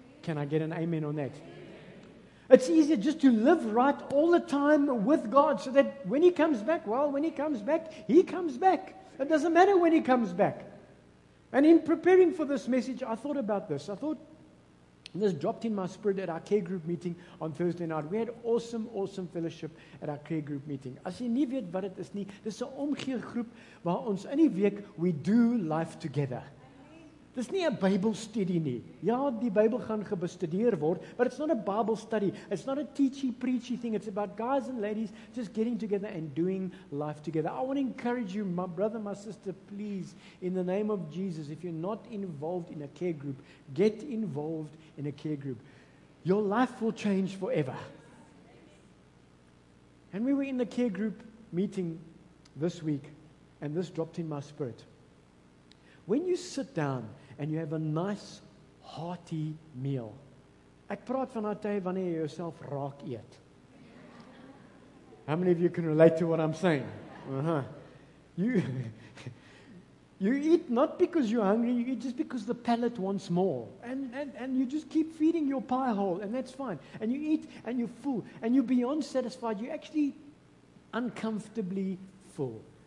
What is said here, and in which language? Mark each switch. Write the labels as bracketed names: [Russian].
[English] Can I get an amen on that? It's easier just to live right all the time with God so that when he comes back, well, when he comes back, he comes back. It doesn't matter when he comes back. And in preparing for this message, I thought about this. I thought, and this dropped in my spirit at our care group meeting on Thursday night. We had awesome, awesome fellowship at our care group meeting. [Afrikaans] As jy nie weet wat dit is nie, dit is 'n omgee groep waar ons in die week, [English] we do life together. [Afrikaans] Dit is nie 'n Bible study nie. Ja, die Bible gaan gebestudeer word, [English] but it's not a Bible study. It's not a teachy, preachy thing. It's about guys and ladies just getting together and doing life together. I want to encourage you, my brother, my sister, please, in the name of Jesus, if you're not involved in a care group, get involved in a care group. Your life will change forever. And we were in the care group meeting this week, and this dropped in my spirit. When you sit down and you have a nice, hearty meal. [Afrikaans] Ek praat van 'n tyd wanneer jy jouself raak eet. [English] How many of you can relate to what I'm saying? You eat not because you're hungry, you eat just because the palate wants more. And you just keep feeding your pie hole, and that's fine. And you eat, and you're full. And you're beyond satisfied. You're actually uncomfortably full.